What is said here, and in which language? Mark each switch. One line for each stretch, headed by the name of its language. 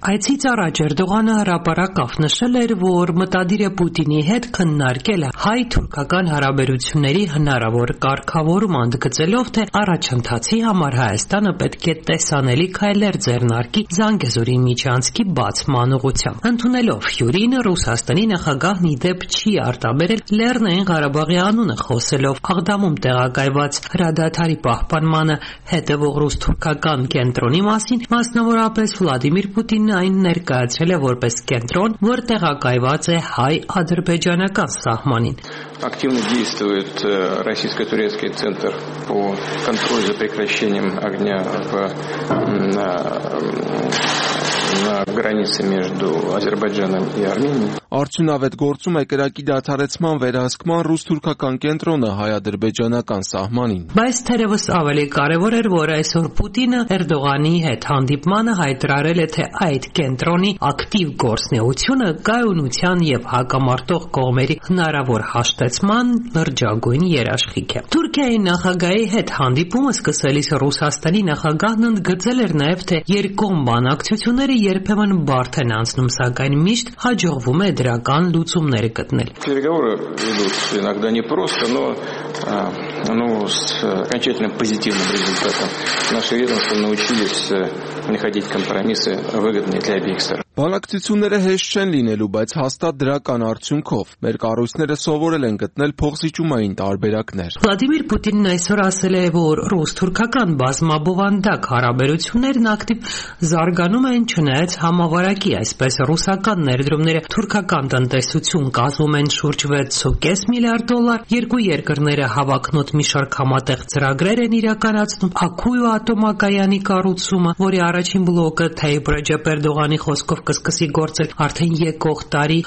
Armenian: Այցից առաջ Էրդողանը հրապարակավ նշել էր, որ մտադիր է Պուտինի հետ քննարկել հայ-թուրքական հարաբերությունների հնարավոր կարգավորում, անդգծելով, թե առաջընթացի համար Հայաստանը պետք է տեսանելի քայլեր ձեռնարկի Զանգեզուրի միջանցքի բացման ուղղությամբ։ Ընդունելով հյուրին, Ռուսաստանի նախագահն ի դեպ չի արտաբերել Լեռնային Ղարաբաղի անունը, խոսելով Աղդամում տեղակայված հրադադարի պահպանմանը հետևող ռուս-թուրքական կենտրոնի մասին, մասնավորապես Վլադիմիր Պուտինը այն ներկայացրել է որպես կենտրոն, որ տեղակայված է հայ-ադրբեջանական սահմանին։
Russian: Активно действует российско-турецкий центр по контролю за прекращением огня на границе между Азербайджаном и Арменией.
Armenian: Արդյունավետ գործում է կրակի դադարեցման վերահսկման ռուս-թուրքական կենտրոնը հայ-ադրբեջանական սահմանին։ Բայց թերևս ավելի կարևոր էր, որ այսօր Պուտինը Էրդողանի հետ հանդիպմանը հայտարարել է, թե այդ կենտրոնի ակտիվ գործնեությունը գայունության և հակամարտող կողմերի հնարավոր հաշտեցման լրջագույն երաշխիք է։ Թուրքիայի նախագահի հետ հանդիպումը սկսելիս Ռուսաստանի նախագահն ընդգծել էր նաև, թե երկկողմ բանակցությունները երբեմն բարդ են անցնում, սակայն միշտ հաջողվում է դրական լուծումներ գտնել։
Russian: Переговоры идут иногда непросто, но с окончательным позитивным результатом. Наши ведомства научились находить компромиссы выгодные для обеих сторон.
Armenian: Բանակցությունները հեշտ չեն լինելու, բայց հաստատ դրական արդյունքով մեր կառույցները սովորել են գտնել փոխզիջումային տարբերակներ։ Վլադիմիր Պուտինն այսօր ասել է, որ ռուս-թուրքական բազմաբովանդակ հարաբերություններն ակտիվ զարգանում են, չնայած համավարակի, այսպես ռուսական ներդրումները թուրքական տնտեսություն կազմում են շուրջ 6.5 միլիարդ դոլար, երկու երկրները հավակնոտ մի շարք համատեղ ծրագրեր են իրականացնում, Աքույո ատոմակայանի կառուցումը, որի առաջին բլոկը Թեյպ Ռեջեփ Էրդողանի խոսքով կսկսի գործել արդեն եկող տարի,